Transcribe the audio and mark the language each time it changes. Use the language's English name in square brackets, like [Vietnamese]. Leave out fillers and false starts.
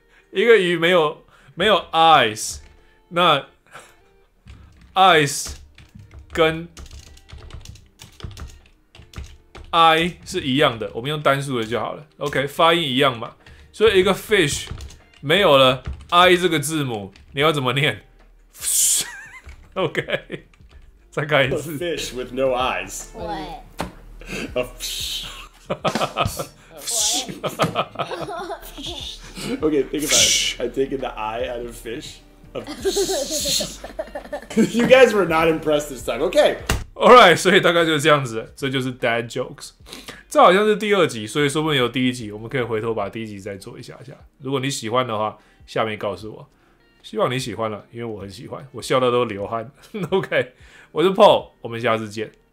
[Chinese] 一个鱼没有 eyes， 那 eyes 跟 eye 是一样的，我们用单数的就好了。 OK， 发音一样嘛，所以一个 fish 没有了。 I 这个字母你要怎么念 ？OK， 再看一次。 [English] A fish with no eyes. What? A fish. Okay, think about it. I've taken the eye out of fish. You guys were not impressed this time. Okay. [Chinese] Alright, 所以大概就是这样子，这就是 dad jokes。这好像是第二集，所以说不定有第一集，我们可以回头把第一集再做一下下。如果你喜欢的话，下面告诉我。希望你喜欢了，因为我很喜欢，我笑到都流汗。OK， 我是 Paul， 我们下次见。